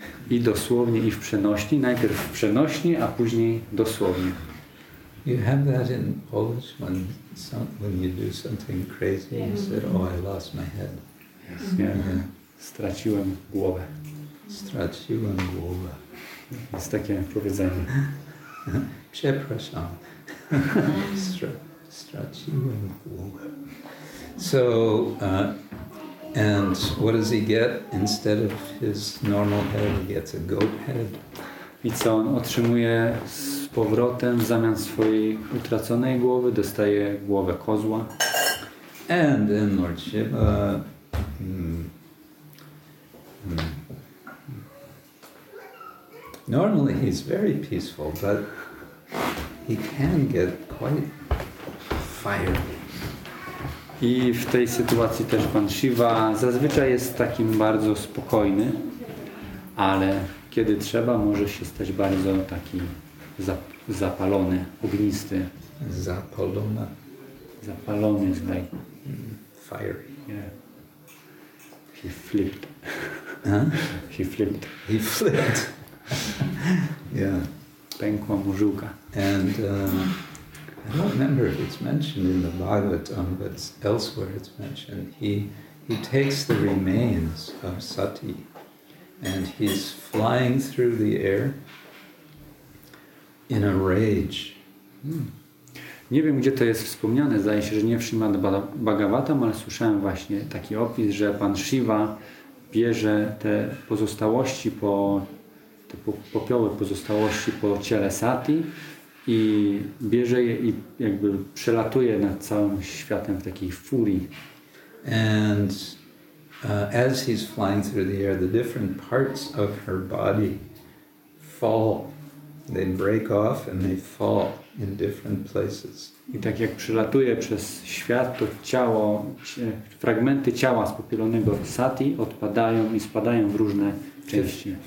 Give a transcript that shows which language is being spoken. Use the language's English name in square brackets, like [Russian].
[Polish] I dosłownie, i w przenośni. Najpierw w przenośni, a później dosłownie. [English] You have that in Polish when you do something crazy and you said, oh, I lost my head. Yes. Yeah. Yeah. [Polish] Straciłem głowę. Straciłem głowę. Jest takie powiedzenie. Przepraszam. Straciłem głowę. [English] So, and what does he get instead of his normal head? He gets a goat head. [Polish] I co on otrzymuje z powrotem zamiast swojej utraconej głowy? Dostaje głowę kozła. [English] And then Lord Shiva normally he's very peaceful, but he can get quite fiery. [Polish] I w tej sytuacji też pan Shiva zazwyczaj jest takim bardzo spokojny, ale kiedy trzeba, może się stać bardzo taki zapalony, ognisty. Zapalona. Zapalony z tej. [English] Fiery. Yeah. He flipped. Huh? He flipped. He flipped. Yeah. [Polish] Pękła mu żyłka. [English] And I don't remember if it's mentioned in the Bhagavatam, but elsewhere it's mentioned. He takes the remains of Sati and he's flying through the air in a rage. [Polish] Nie wiem, gdzie to jest wspomniane. Zdaje się, że nie w Śrimad Bhagavatam, ale słyszałem właśnie taki opis, że pan Shiva bierze te pozostałości po te popioły pozostałości po ciele Sati i bierze je i jakby przelatuje nad całym światem w takiej furii. [English] And as he's flying through the air, the different parts of her body fall. They break off and they fall in different places. [Polish] I tak jak przelatuje przez świat, to ciało, fragmenty ciała spopielonego Sati odpadają i spadają w różne części.